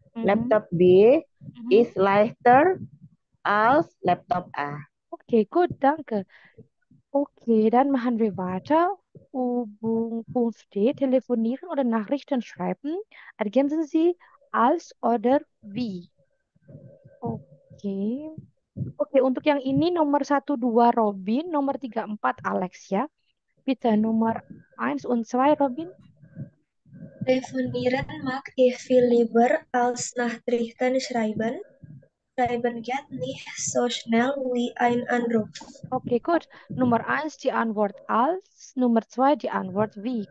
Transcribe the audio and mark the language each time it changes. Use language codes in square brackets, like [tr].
[de] Laptop B ist leichter als Laptop A. Okay, gut, danke. Okay, dann machen wir weiter. Übung 5D, telefonieren oder Nachrichten schreiben. Ergänzen Sie als oder wie. Okay. [id] Oke, untuk yang ini nomor 1, 2 Robin, nomor 3, 4 Alex ya. [de] Bitte, nomor 1 und 2 Robin. Telefonieren mag ich viel lieber als Nachrichten schreiben. Schreiben geht nicht so schnell wie ein Anruf. Oke, gut. Nomor 1 die Antwort als, nomor 2 die Antwort wie.